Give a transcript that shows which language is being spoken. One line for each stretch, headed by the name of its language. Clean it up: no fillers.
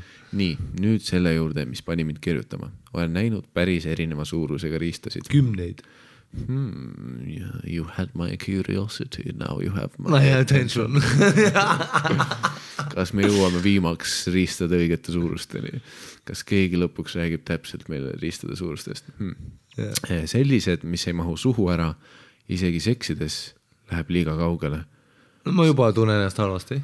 Estonian: Nii, nüüd selle juurde, mis pani mind kirjutama. Olen näinud päris erineva suurusega riistasid. Kümneid.
English: You had my curiosity, now you have my attention.
Estonian: Kas me jõuame viimaks riistada õigete suurusteni? Kas keegi lõpuks räägib täpselt meile riistada suurustest?
English: Yeah.
Estonian: Sellised, mis ei mahu suhu ära, isegi seksides läheb liiga kaugele. No, ma juba tunnen ennast halvasti.